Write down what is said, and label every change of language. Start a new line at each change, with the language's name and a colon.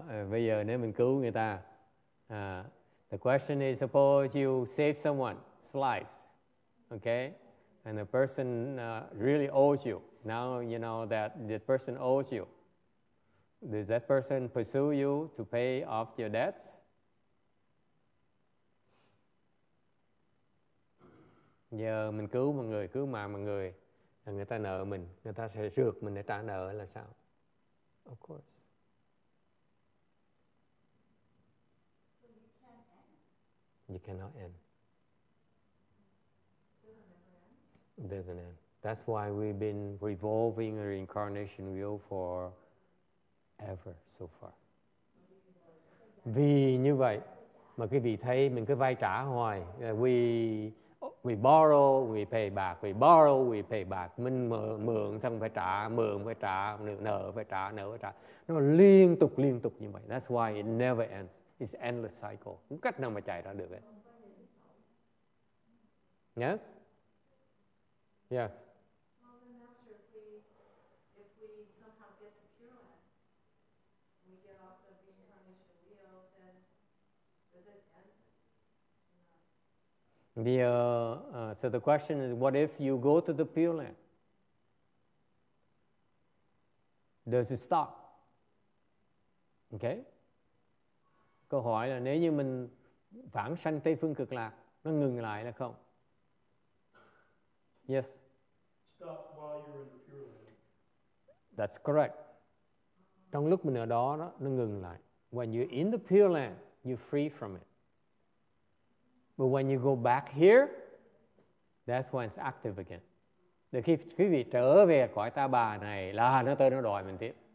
Vietnamese: Bây giờ nếu mình cứu người ta,
English: the question is, suppose you save someone's life, okay, and the person really owes you. Now you know that the person owes you. Does that person pursue you to pay off your debts?
Vietnamese: Giờ mình cứu mọi người, cứu mạng mọi người, là người ta nợ mình, người ta sẽ rượt mình để trả nợ là sao?
English: Of course. You cannot end. It doesn't end. That's why we've been revolving reincarnation wheel for ever so far. Because
Vietnamese: Vì như vậy mà quý vị thấy mình cứ vay trả hoài.
English: We borrow, we pay back, we borrow, we pay back.
Vietnamese: Mình mượn xong phải trả, mượn phải trả, nợ phải trả, nợ phải trả. Nó liên tục như vậy.
English: That's why it never ends. It's endless cycle.
Vietnamese: Không cách nào mà chạy ra được ấy.
English: Yes? Yes. So the question is, what if you go to the Pure Land? Does it stop? Okay.
Vietnamese: Câu hỏi là nếu như mình vãng sanh Tây Phương Cực Lạc, nó ngừng lại là không?
English: Yes. Stop while you're in the Pure Land. That's correct.
Vietnamese: Trong lúc mình ở đó, nó ngừng lại.
English: When you're in the Pure Land, you're free from it. But when you go back here, that's when it's active again.
Vietnamese: Để khi quý vị trở về cõi ta bà này là nó tới nó đòi mình tiếp.